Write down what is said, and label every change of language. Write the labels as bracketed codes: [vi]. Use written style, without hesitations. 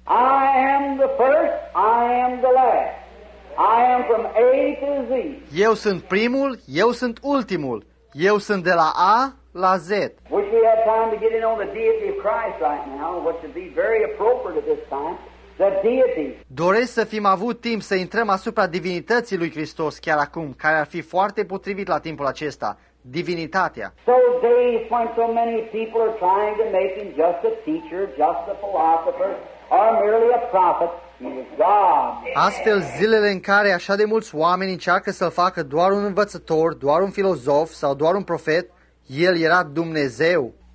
[en] I am the first, I am the last. I am from A to Z. [ro] Eu sunt primul, eu sunt ultimul. Eu sunt de la A la Z. [en] Wish we had time to get in on the deity of Christ right now, which would be very appropriate at this time. The deity. [ro] Doresc să fim avut timp să intrăm asupra divinității lui Hristos chiar acum, care ar fi foarte potrivit la timpul acesta, divinitatea. [en] So days when so many people are trying to make him just a teacher, just a philosopher, or merely a prophet. [ro] Astfel, zilele în care așa de mulți oameni încearcă să-l facă doar un învățător, doar un filozof sau doar un profet, el era Dumnezeu.